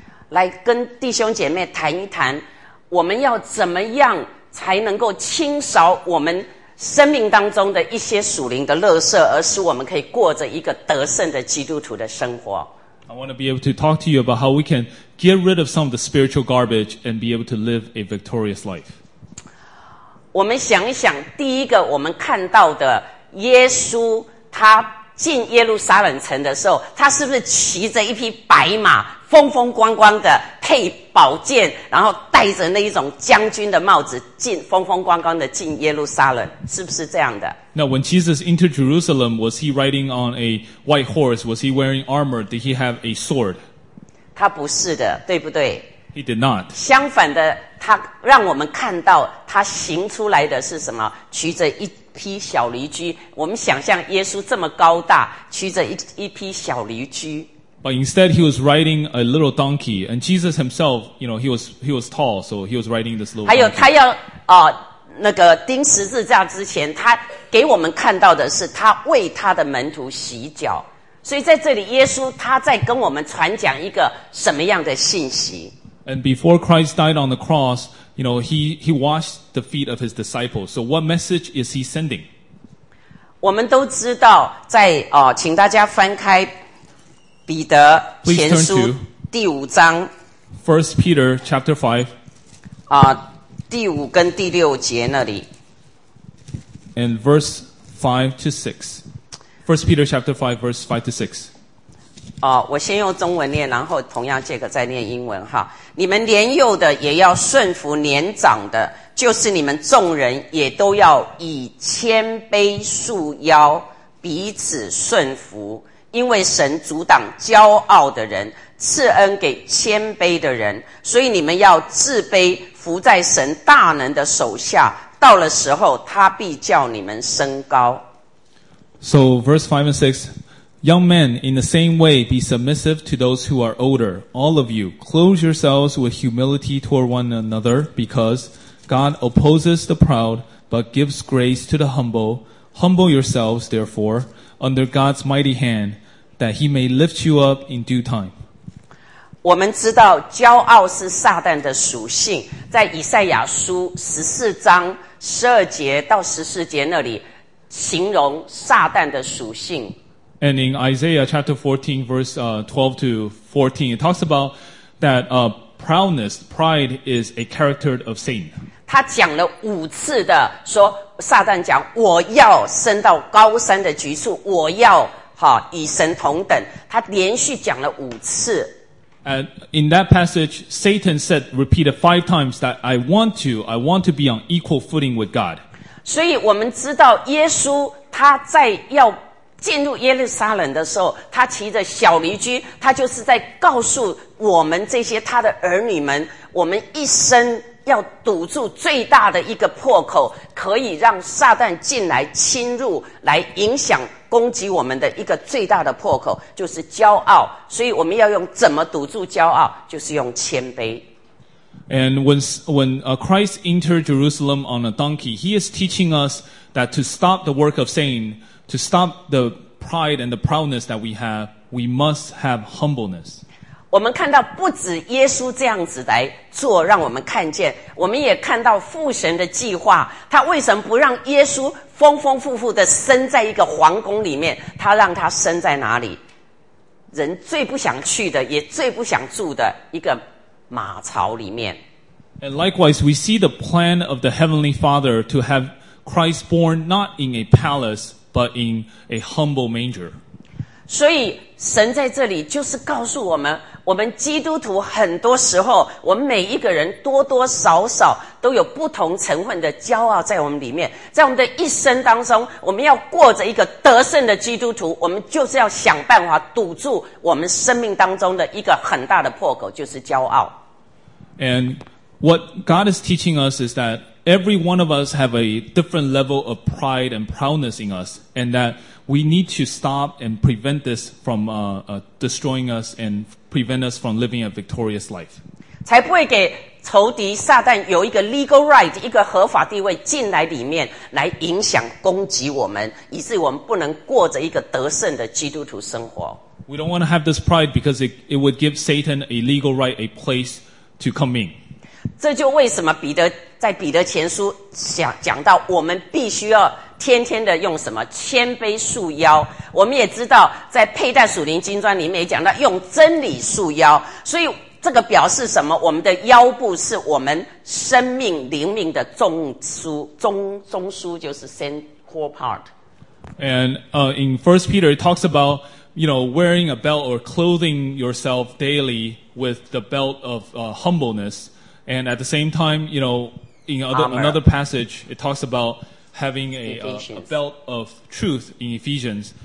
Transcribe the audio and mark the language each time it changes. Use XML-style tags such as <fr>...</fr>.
<zh>来跟弟兄姐妹谈一谈，我们要怎么样才能够清扫我们生命当中的一些属灵的垃圾，而使我们可以过着一个得胜的基督徒的生活。</zh> <en>I want to be able to talk to you about how we can get rid of some of the spiritual garbage and be able to live a victorious life.</en> <zh>我们想一想，第一个我们看到的耶稣，他进耶路撒冷城的时候，他是不是骑着一匹白马，风风光光的配宝剑，然后戴着那一种将军的帽子进风风光光的进耶路撒冷，是不是这样的</zh> <en>？Now, when Jesus entered Jerusalem, was he riding on a white horse? Was he wearing armor? Did he have a sword?</en> <zh>他不是的，对不对</zh> <en>？He did not.</en> <zh>相反的，他让我们看到他行出来的是什么？骑着一匹小驴驹。我们想象耶稣这么高大，骑着一匹小驴驹。</zh> <en>But instead, he was riding a little donkey, and Jesus himself, you know, he was tall, so he was riding this little.</en> <zh>还有他要那个钉十字架之前，他给我们看到的是他为他的门徒洗脚。所以在这里，耶稣他在跟我们传讲一个什么样的信息</zh> <en>？And before Christ died on the cross, you know, he washed the feet of his disciples. So what message is he sending?</en> <zh>我们都知道在请大家翻开彼得前书第五章</zh> <en>First Peter chapter 5</en> <zh>第五跟第六节那里</zh> <en>and verse 5 to 6 First Peter chapter 5 verse 5 to 6</en> <zh>我先用中文念，然后同样这个再念英文哈。你们年幼的也要顺服年长的，就是你们众人也都要以谦卑束腰，彼此顺服，因为神阻挡骄傲的人，赐恩给谦卑的人。所以你们要自卑，服在神大能的手下，到了时候他必叫你们升高。</zh> <en>So verse 5 and 6, young men, in the same way, be submissive to those who are older, all of you. Clothe yourselves with humility toward one another, because God opposes the proud, but gives grace to the humble. Humble yourselves, therefore, under God's mighty hand, that he may lift you up in due time.</en> <zh>我们知道骄傲是撒旦的属性，在以赛亚书14章12节到14节那里形容撒旦的属性。</zh> <en>And in Isaiah chapter 14, verse 12 to 14, it talks about that proudness, pride is a character of Satan.</en> <zh>他讲了五次的说，撒旦讲，我要升到高山的橘树，我要与神同等。他连续讲了五次。</zh> <en>And in that passage, Satan said repeated 5 times that I want to be on equal footing with God.</en> <zh>所以我们知道耶稣他在要进入耶路撒冷的时候，他骑着小驴驹，他就是在告诉我们这些他的儿女们，我们一生要堵住最大的一个破口，可以让撒旦进来侵入，来影响攻击我们的一个最大的破口，就是骄傲。所以我们要用怎么堵住骄傲，就是用谦卑。</zh> <en>And when Christ entered Jerusalem on a donkey, he is teaching us that to stop the work of Satan, to stop the pride and the proudness that we have, we must have humbleness.</en> <zh>我们看到不止耶稣这样子来做，让我们看见，我们也看到父神的计划，他为什么不让耶稣丰丰富富的生在一个皇宫里面，他让他生在哪里？人最不想去的，也最不想住的一个马槽里面。</zh> <en>And likewise, we see the plan of the Heavenly Father to have Christ born not in a palace, but in a humble manger.</en> <zh>所以神在这里就是告诉我们，我们基督徒很多时候，我们每一个人多多少少都有不同成分的骄傲在我们里面。在我们的一生当中，我们要过着一个得胜的基督徒，我们就是要想办法堵住我们生命当中的一个很大的破口，就是骄傲。</zh> <en>And what God is teaching us is that every one of us have a different level of pride and proudness in us, and that we need to stop and prevent this from destroying us and prevent us from living a victorious life.</en> <zh>才不会给仇敌撒旦有一个</zh> <en>legal right,</en> <zh>一个合法地位进来里面来影响攻击我们，以致我们不能过着一个得胜的基督徒生活。</zh> <en>We don't want to have this pride because it would give Satan a legal right, a place to come in.</en> <zh>这就为什么彼得在彼得前书讲到我们必须要天天的用什么谦卑束腰。我们也知道在佩戴属灵金砖里面也讲到用真理束腰，所以这个表示什么？我们的腰部是我们生命灵命的中枢，就是</zh> <en>central part. And in 1 Peter it talks about, you know, wearing a belt or clothing yourself daily with the belt of humbleness. And at the same time, you know, in another passage, it talks about having a belt of truth in Ephesians.</en>